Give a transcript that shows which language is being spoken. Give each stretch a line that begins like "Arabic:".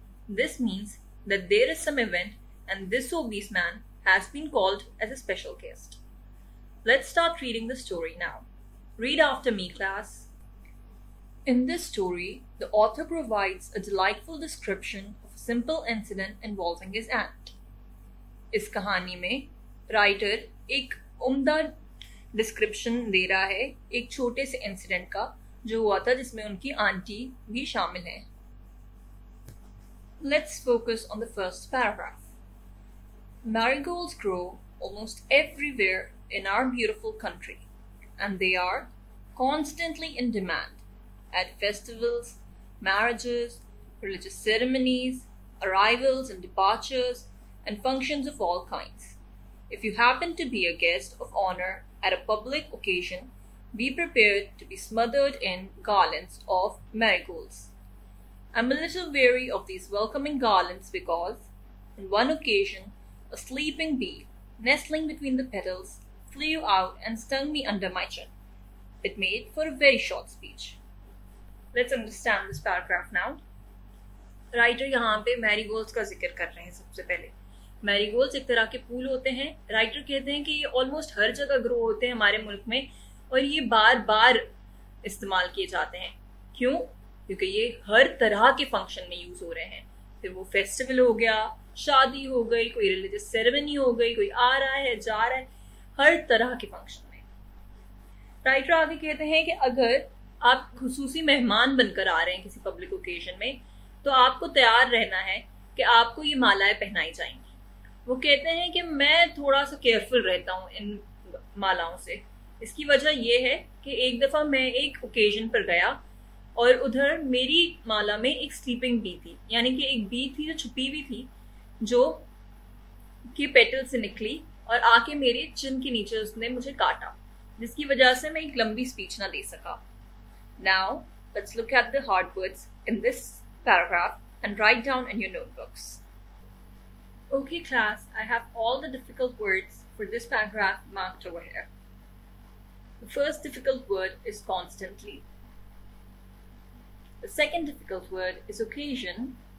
English: This means that there is some event and this obese man has been called as a special guest. Let's start reading the story now. Read after me, class. In this story, the author provides a delightful description of a simple incident involving his aunt.
Urdu: Is kahani mein writer ek umda description دے رہا ہے ایک چھوٹے سے incident کا جو ہوا تھا جس میں ان کی آنٹی بھی شامل ہیں.
English: Let's focus on the first paragraph. Marigolds grow almost everywhere in our beautiful country and they are constantly in demand at festivals, marriages, religious ceremonies, arrivals and departures and functions of all kinds. If you happen to be a guest of honor at a public occasion, be prepared to be smothered in garlands of marigolds. I'm a little wary of these welcoming garlands because, on one occasion, a sleeping bee, nestling between the petals, flew out and stung me under my chin. It made for a very short speech. Let's understand this paragraph now.
Urdu: Writer yahan pe marigolds ka zikr kar rahe hain sabse pehle. میری goals ایک طرح کے پھول ہوتے ہیں. Writer کہتے ہیں کہ یہ آلموسٹ ہر جگہ گرو ہوتے ہیں ہمارے ملک میں اور یہ بار بار استعمال کیے جاتے ہیں. کیوں؟ کیونکہ یہ ہر طرح کے فنکشن میں یوز ہو رہے ہیں. پھر وہ فیسٹیول ہو گیا, شادی ہو گئی, کوئی ریلیجیس سیرمنی ہو گئی, کوئی آ رہا ہے جا رہا ہے, ہر طرح کے فنکشن میں. رائٹر آگے کہتے ہیں کہ اگر آپ خصوصی مہمان بن کر آ رہے ہیں کسی پبلک اوکیشن میں تو آپ کو تیار رہنا ہے کہ آپ کو یہ مالائیں پہنائی جائیں گی. وہ کہتے ہیں کہ میں تھوڑا سا کیئرفل رہتا ہوں ان مالاؤں سے. اس کی وجہ یہ ہے کہ ایک دفعہ میں ایک اوکیژن پر گیا اور ادھر میری مالا میں ایک سلیپنگ بی تھی, یعنی کہ ایک بی تھی جو چھپی ہوئی تھی جو کے پیٹل سے نکلی اور آ کے میرے چن کے نیچے اس نے مجھے کاٹا, جس کی وجہ سے میں ایک لمبی سپیچ نہ دے سکا.
English: Now, let's look at the hard words in this paragraph and write down in your notebooks. Okay class, I have all the difficult words for this paragraph marked over here. The first difficult word is constantly. The second difficult word is occasion.